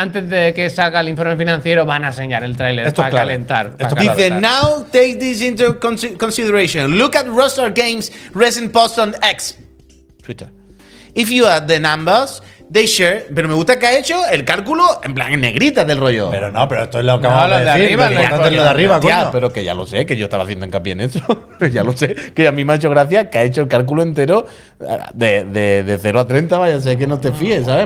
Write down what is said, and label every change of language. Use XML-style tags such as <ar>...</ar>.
<es>Antes de que salga el informe financiero, van a enseñar el tráiler para calentar.</es> <en>Dice, now take this into consideration. Look at Rockstar Games' recent post on X. Twitter. If you add the numbers... They share,</en> <es>pero me gusta que ha hecho el cálculo en plan en negrita del rollo. Pero no, pero esto es lo que vamos a decir. Pero que ya lo sé, que yo estaba haciendo hincapié en eso. Ya lo sé, que a mí me ha hecho gracia que ha hecho el cálculo entero de 0 a 30, vaya, sé que no te fíes, ¿sabes?</es>